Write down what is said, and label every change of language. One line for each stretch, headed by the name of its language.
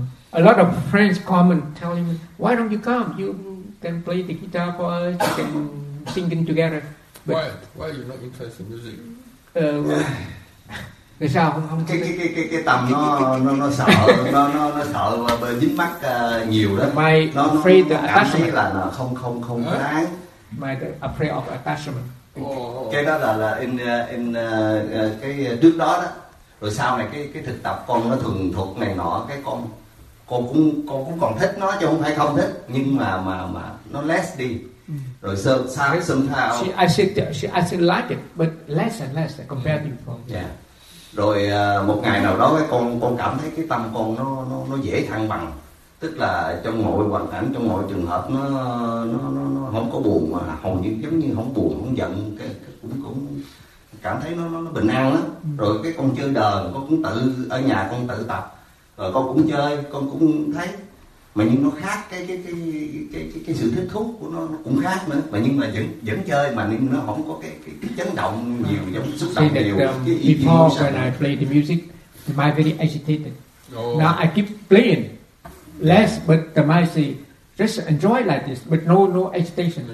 English: A lot of friends come and tell him, why don't you come? You can play the guitar for us, you can sing in together. But, why are you not interested in music?
Vietnamese: Tại sao không cái tầm nó sợ nó sợ dính mắc nhiều đó.
English: My
Vietnamese: nó
English: afraid the attachment.
Vietnamese: Cảm thấy là không huh? đáng.
English: My afraid of attachment.
Vietnamese: Cái đó là in cái trước đó đó. Rồi sau này cái thực tập con nó thường thuộc này nọ, cái con cũng còn thích nó chứ không phải không thích, nhưng mà nó less đi. Rồi sau cái sinh thao.
English: I still like it, but less and less compared to before. Yeah.
Vietnamese: Rồi một ngày nào đó cái con cảm thấy cái tâm con nó dễ thăng bằng, tức là trong mọi hoàn cảnh, trong mọi trường hợp nó không có buồn, mà hầu như giống như không buồn không giận, cái cũng cảm thấy nó bình an lắm. Rồi cái con chơi đờn, con cũng tự ở nhà con tự tập, rồi con cũng chơi, con cũng thấy, mà nhưng nó khác cái sự thích thú của nó cũng khác nữa, mà nhưng mà vẫn chơi, mà nhưng nó không có cái chấn động nhiều, giống xúc động nhiều.
English: Before when I play the music, the mind very agitated. Now I keep playing less, but the mind say just enjoy like this, but no agitation.